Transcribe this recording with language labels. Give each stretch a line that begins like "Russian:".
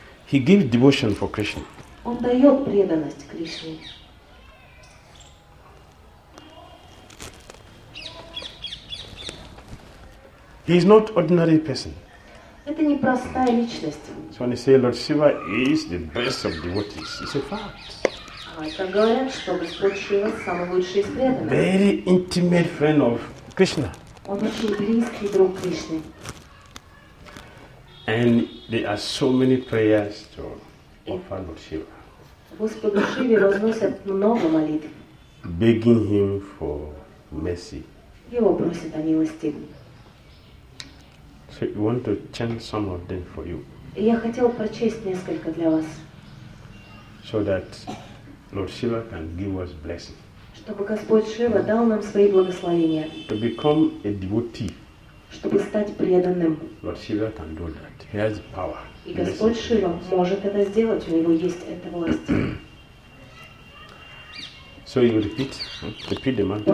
English: He gives devotion for Krishna.
Russian: Он дает преданность Кришне.
English: He is not ordinary person.
Russian: Это не простая личность.
English: So when they say Lord Shiva is the best of devotees, it's a fact.
Russian: Так говорят, что Господь Шива самый лучший из преданных.
English: Very intimate friend of Krishna.
Russian: Он очень близкий друг Кришны.
English: And there are so many prayers to offer Lord Shiva.
Russian: Господу Шиве разносят много молитв.
English: Begging him for mercy.
Russian: Его просят о милости.
English: So we want to chant some of them for you.
Russian: Я хотел прочесть несколько для вас.
English: So that Lord Shiva can give us blessing.
Russian: Чтобы Господь Шива дал нам свои благословения.
English: To become a devotee.
Russian: Чтобы стать преданным.
English: Lord Shiva can do that. He has power.
Russian: И Господь Шива может это сделать. У него есть эта власть.
English: So you repeat. Repeat the mantra.